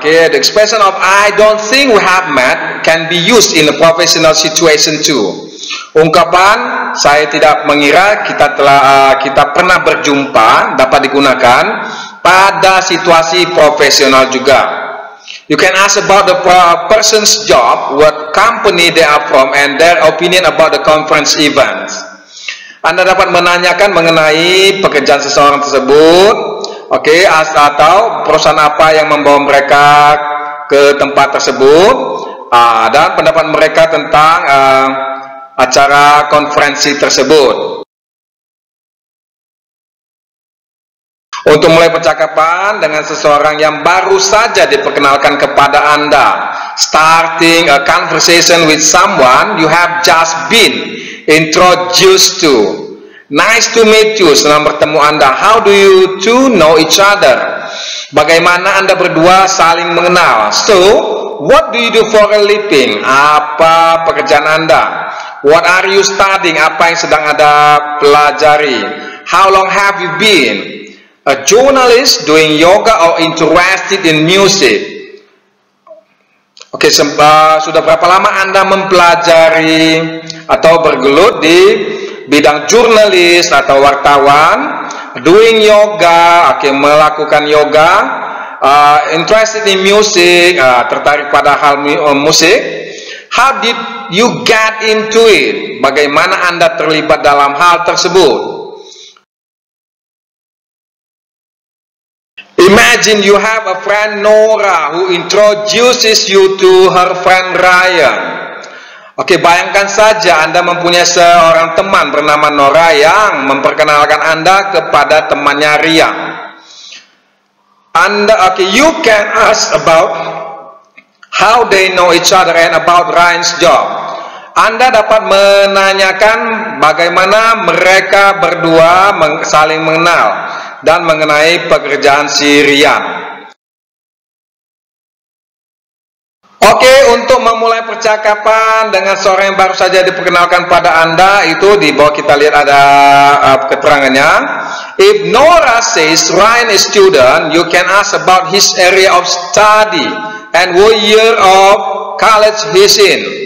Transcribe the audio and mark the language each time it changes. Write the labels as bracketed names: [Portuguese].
[English] The expression of I don't think we have met can be used in a professional situation too. [Indonesian] Ungkapan saya tidak mengira kita pernah berjumpa dapat digunakan pada situasi profesional juga. [English] You can ask about the person's job, what company they are from, and their opinion about the conference events. [Indonesian] Anda dapat menanyakan mengenai pekerjaan seseorang tersebut. Atau perusahaan apa yang membawa mereka ke tempat tersebut, dan pendapat mereka tentang acara konferensi tersebut. Untuk mulai percakapan dengan seseorang yang baru saja diperkenalkan kepada Anda, [English] starting a conversation with someone you have just been introduced to. Nice to meet you, [Indonesian] senang bertemu Anda. [English] How do you two know each other? [Indonesian] Bagaimana Anda berdua saling mengenal? [English] So, what do you do for a living? [Indonesian] Apa pekerjaan Anda? [English] What are you studying? [Indonesian] Apa yang sedang Anda pelajari? [English] How long have you been? A journalist doing yoga or interested in music? [Indonesian] Sudah berapa lama Anda mempelajari atau bergelut di bidang jurnalis atau wartawan, [English] doing yoga, [Indonesian] melakukan yoga, [English] interested in music, [Indonesian] tertarik pada hal musik. [English] How did you get into it? [Indonesian] Bagaimana Anda terlibat dalam hal tersebut? [English] Imagine you have a friend Nora who introduces you to her friend Ryan. [Indonesian] Oke, bayangkan saja Anda mempunyai seorang teman bernama Nora yang memperkenalkan Anda kepada temannya Ria. [English] Anda, okay, you can ask about how they know each other and about Ryan's job. [Indonesian] Anda dapat menanyakan bagaimana mereka berdua saling mengenal dan mengenai pekerjaan si Rian. Okay, untuk memulai percakapan dengan seorang yang baru saja diperkenalkan pada Anda, itu di bawah kita lihat ada keterangannya. [English] If Nora says Ryan is student, you can ask about his area of study and what year of college he's in.